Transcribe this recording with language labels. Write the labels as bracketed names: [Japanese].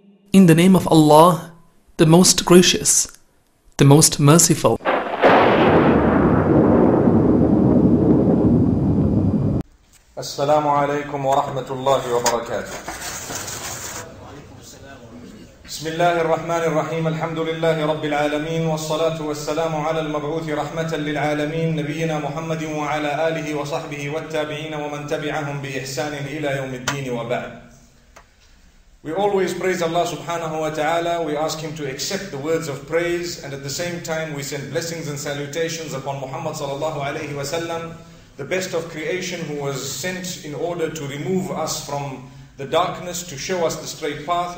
[English] In the name of Allah, the Most Gracious, the Most Merciful. [Arabic] السلام عليكم ورحمة الله وبركاته. بسم الله الرحمن الرحيم. الحمد لله رب العالمين، والصلاة والسلام على المبعوث رحمة للعالمين نبينا محمد وعلى آله وصحبه والتابعين ومن تبعهم بإحسان إلى يوم الدين وبعد. [English] We always praise Allah subhanahu wa ta'ala. We ask Him to accept the words of praise, and at the same time we send blessings and salutations upon Muhammad sallallahu alayhi wa sallam, the best of creation, who was sent in order to remove us from the darkness, to show us the straight path.